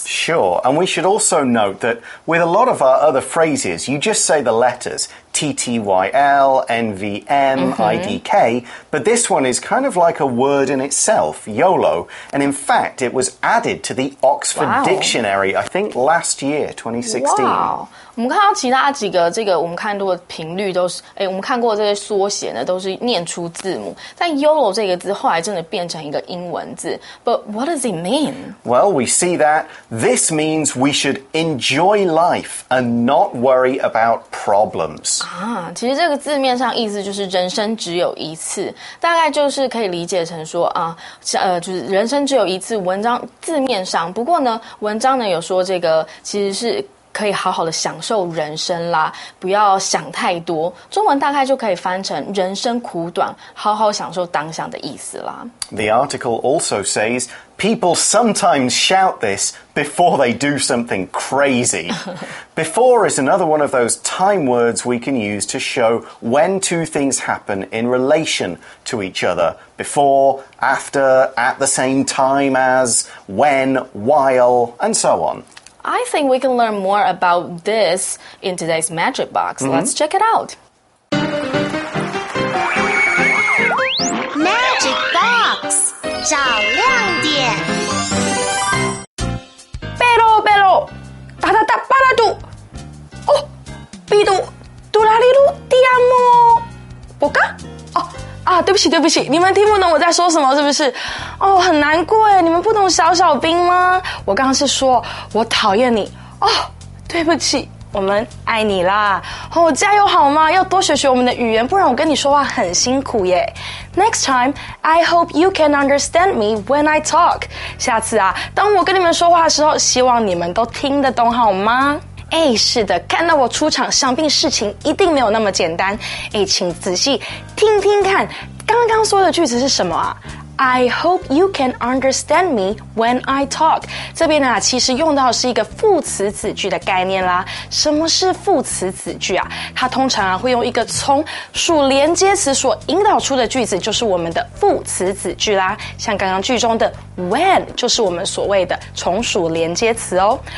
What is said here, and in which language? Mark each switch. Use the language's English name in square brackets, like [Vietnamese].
[English] Sure, and we should also note that with a lot of our other phrases, you just say the letters TTYL, NVM, IDK, but this one is kind of like a word in itself, YOLO, and in fact, it was added to the Oxford Dictionary, I think last year, 2016. Wow. [Chinese] 我们看到其他几个这个我们看过的频率都是我们看过的这些缩写呢都是念出字母，但 YOLO 这个字后来真的变成一个英文字。 [English] But what does it mean? Well, we see that this means we should enjoy life and not worry about problems. [Chinese] 啊，其实这个字面上意思就是人生只有一次，大概就是可以理解成说啊，就是人生只有一次，文章字面上，不过呢文章呢有说这个其实是可以好好的享受人生啦，不要想太多。中文大概就可以翻成人生苦短，好好享受当下的意思啦。 [English] The article also says people sometimes shout this before they do something crazy. Before is another one of those time words we can use to show when two things happen in relation to each other. Before, after, at the same time as, when, while, and so on. I think we can learn more about this in today's Magic Box. Let's check it out. [Chinese] Magic Box, 找亮点。 Pero, pero, da da da, paladu. Oh, pido, dolarilu, te amo. Boca? Oh, ah, 对不起，对不起，你们听不懂我在说什么，是不是？哦，很难过耶，你们不懂小小兵吗？我刚刚是说我讨厌你哦，对不起，我们爱你啦。哦，加油好吗？要多学学我们的语言，不然我跟你说话很辛苦耶。 [English] Next time, I hope you can understand me when I talk. [Chinese] 下次啊，当我跟你们说话的时候，希望你们都听得懂好吗？哎，是的，看到我出场，想必事情一定没有那么简单。哎，请仔细听听看，刚刚说的句子是什么啊？ [English] I hope you can understand me when I talk. [Chinese] 这边呢、啊、其实用到的是一个副词子句的概念啦。什么是副词子句啊？它通常啊会用一个从属连接词所引导出的句子，就是我们的副词子句啦。像刚刚句中的 when 就是我们所谓的从属连接词哦。